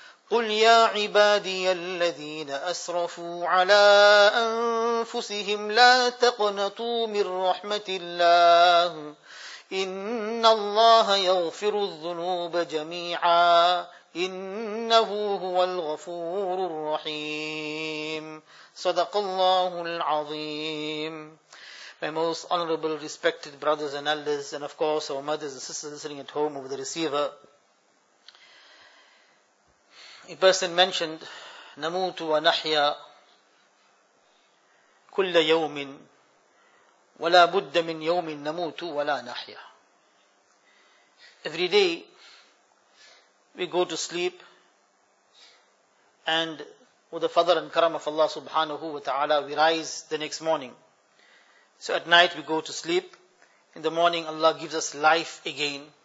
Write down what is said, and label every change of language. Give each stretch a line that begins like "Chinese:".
Arabic: قل يا عبادي الذين أسرفوا على أنفسهم لا تقنطوا من رحمة الله إن الله يغفر الذنوب جميعا إنه هو الغفور الرحيم صدق الله العظيم.
English: My most honorable, respected brothers and elders, and of course our mothers and sisters listening at home over the receiver. A person mentioned,
Arabic: نَمُوتُ وَنَحْيَا كُلَّ يَوْمٍ وَلَا بُدَّ مِنْ يَوْمٍ نَمُوتُ وَلَا نَحْيَا.
English: Every day we go to sleep, and with the fadl and karam of Allah subhanahu wa ta'ala, we rise the next morning. So at night we go to sleep. In the morning Allah gives us life again.